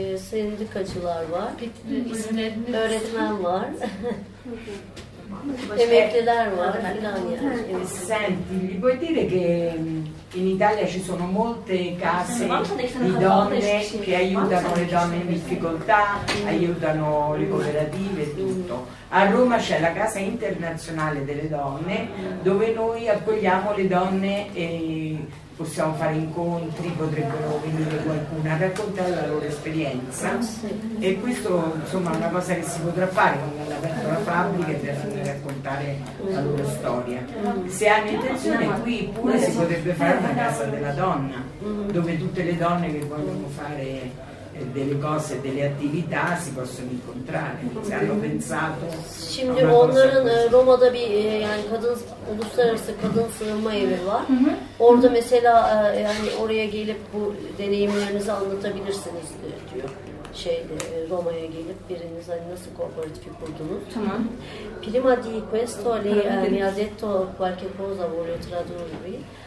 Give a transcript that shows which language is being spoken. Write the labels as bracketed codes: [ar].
[tr] Sendikacılar var, öğretmen var, emekliler var, [it] senti, gli puoi dire che in Italia ci sono molte case di donne che aiutano le donne in difficoltà, aiutano le cooperative e tutto. A Roma c'è la Casa Internazionale delle Donne, dove noi accogliamo le donne e possiamo fare incontri, potrebbero venire qualcuno a raccontare la loro esperienza. E questo insomma è una cosa che si potrà fare quando hanno aperto la fabbrica e devono raccontare la loro storia. Se hanno intenzione, qui pure si potrebbe fare una casa della donna, dove tutte le donne che vogliono fare delle cose, delle attività si possono incontrare. Se hanno pensato. [tr] Şimdi onların Roma'da bir yani kadın uluslararası kadın sığınma evi var. Orada mesela yani oraya gelip bu deneyimlerinizi anlatabilirsiniz diyor. Şeyde Roma'ya gelip biriniz hani nasıl kooperatifi kurdunuz? Tamam. [it] Prima di questo lei mi ha detto qualche cosa, voglio tradurvi.